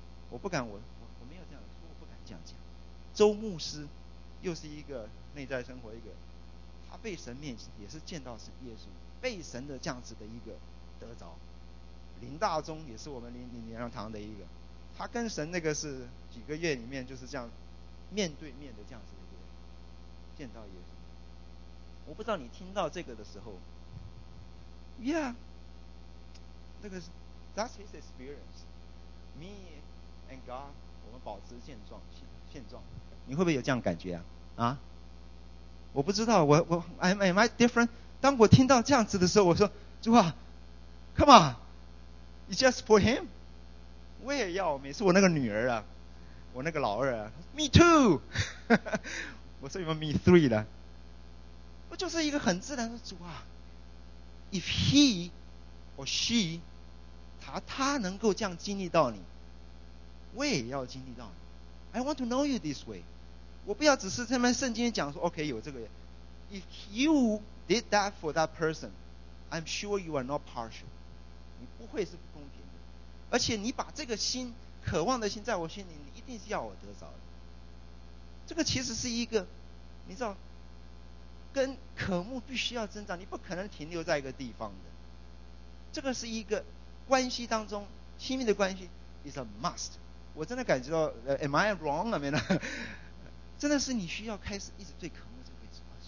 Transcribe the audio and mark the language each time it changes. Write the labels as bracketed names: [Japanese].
[Chinese] 我不敢，我没有这样说，我不敢这样讲。周牧师又是一个内在生活一个，他被神面前也是见到神耶稣，被神的这样子的一个得着。林大中也是我们林良堂的一个，他跟神那个是几个月里面就是这样面对面的这样子的一个见到耶稣。我不知道你听到这个的时候 ，Yeah。这个是 [English] that's his experience. Me and God， [Chinese] 我们保持现状，你会不会有这样感觉啊？啊？我不知道，我 [English] am I different？ [Chinese] 当我听到这样子的时候，我说主啊 ， [English] come on，it's just for him。 [Chinese] 我也要，每次我那个女儿啊，我那个老二啊 ， [English] me too 。 [Chinese] 我说有没有 [English] me three [Chinese] 的？我就是一个很自然的主啊 ， [English] if he or she。 [Chinese] 他能够这样经历到你，我也要经历到你。 [English] I want to know you this way。 [Chinese] 我不要只是他们圣经讲说 OK 有这个。 [English] If you did that for that person, I'm sure you are not partial。 [Chinese] 你不会是不公平的。而且你把这个心渴望的心在我心里，你一定是要我得着的。这个其实是一个，你知道，跟渴慕必须要增长，你不可能停留在一个地方的。这个是一个。关系当中亲密的关系 [English] is a must。 [Chinese] 我真的感觉到 [English] am I wrong I mean, [Chinese] 真的是你需要开始一直对渴慕这个位置。